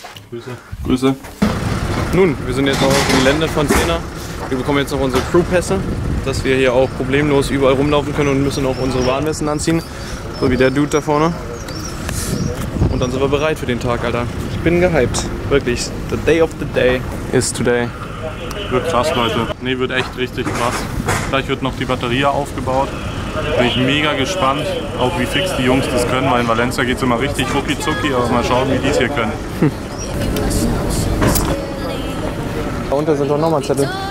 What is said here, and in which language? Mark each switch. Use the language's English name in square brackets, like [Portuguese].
[German] Grüße. Grüße. Nun, wir sind jetzt noch auf dem Gelände von 10er. Wir bekommen jetzt noch unsere Crewpässe, dass wir hier auch problemlos überall rumlaufen können und müssen auch unsere Warnwesten anziehen. So wie der Dude da vorne. Und dann sind wir bereit für den Tag, Alter. Ich bin gehypt. Wirklich. [English] The day of the day is today. [German] Wird krass, Leute. Nee, wird echt richtig krass. Gleich wird noch die Batterie aufgebaut. Bin ich mega gespannt, auf wie fix die Jungs das können. Weil in Valencia geht es immer richtig rucki-zucki, aber mal schauen, wie die es hier können. Da unten sind doch nochmal Zettel.